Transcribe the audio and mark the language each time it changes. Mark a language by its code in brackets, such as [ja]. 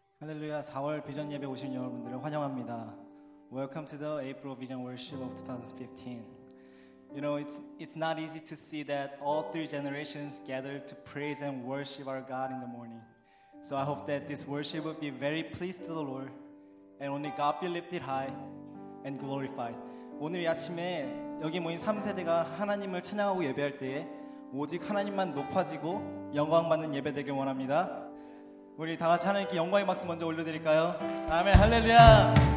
[ko] 할렐루야, 4월 비전 예배 오신 여러분들을 환영합니다. [en] Welcome to the April Vision Worship of 2015. You know, it's not easy to see that all three generations gather to praise and worship our God in the morning. So I hope that this worship will be very pleased to the Lord, and only God be lifted high and glorified. [ko] 오늘 이 아침에 여기 모인 3세대가 하나님을 찬양하고 예배할 때에 오직 하나님만 높아지고 영광받는 예배 되길 원합니다. 우리 다 같이 하나님께 영광의 박수 먼저 올려드릴까요? 아멘, 할렐루야.